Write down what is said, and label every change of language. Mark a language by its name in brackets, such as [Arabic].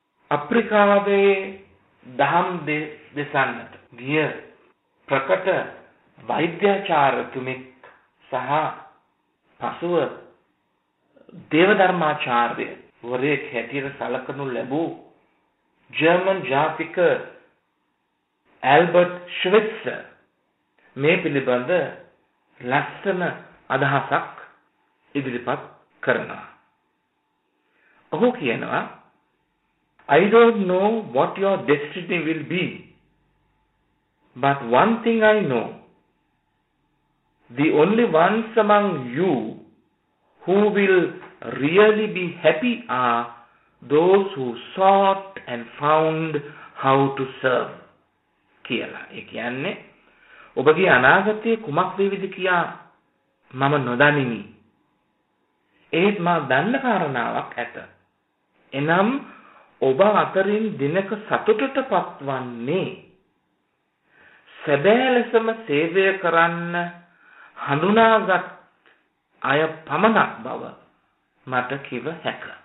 [Sinhala] අප්‍රිකාවේ දහම් දෙසන්නට ගිය ප්‍රකට වෛද්‍යාචාර්යතුමෙක් සහ පසුව දේවධර්මාචාර්ය වරයෙක් හැටියට සලකනු ලැබූ ජර්මන් ජාතික ඇල්බර්ට් ශ්විට්ස මේ පිළිබඳ ලස්සන අදහසක් ඉදිරිපත් කරනවා. ඔහු කියනවා, [English] I don't know what your destiny will be, but one thing I know, the only ones among you who will really be happy are those who sought and found how to serve [Sinhala] කියලා. ඒ කියන්නේ ඔබගේ අනාගතයේ කුමක් වේවිද කියා මම නොදනිමි. ඒත් මා දන්න කාරණාවක් ඇත. එනම් ඔබ අතරින් දිනක සතුටට පත්වන්නේ සැබෑ ලෙසම සේවය කරන්න හඳුනාගත් අය පමණක් බව මට කිව හැක.